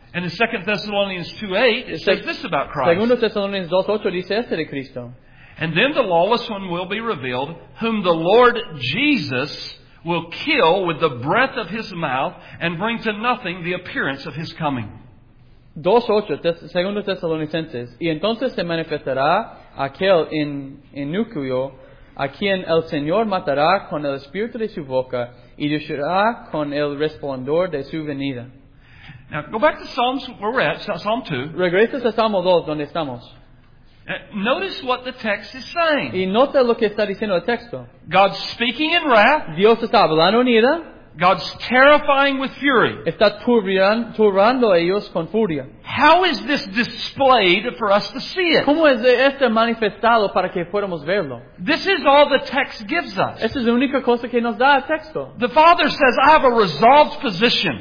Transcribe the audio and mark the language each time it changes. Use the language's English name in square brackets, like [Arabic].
[English] And in 2 Thessalonians 2:8, it says this about Christ. [Spanish] 2 Thessalonians 2:8 dice este de Cristo. [English] And then the lawless one will be revealed, whom the Lord Jesus will kill with the breath of his mouth and bring to nothing the appearance of his coming. [Spanish] 2:8, 2 Tesalonicenses, y entonces se manifestará aquel inúcuo a quien el Señor matará con el espíritu de su boca y destruirá con el resplandor de su venida. [English] Now, go back to Psalms where we're at, Psalm 2. [Spanish] Regresas a Salmo 2, donde estamos. [English] Notice what the text is saying. [Spanish] Y nota lo que está diciendo el texto. [English] God's speaking in wrath. [Spanish] Dios está hablando en ira. [English] God's terrifying with fury. [Spanish] Está turbando a ellos con furia. [English] How is this displayed for us to see it? [Spanish] ¿Cómo es este manifestado para que podamos verlo? [English] This is all the text gives us. [Spanish] Esta es la única cosa que nos da el texto. [English] The Father says, I have a resolved position.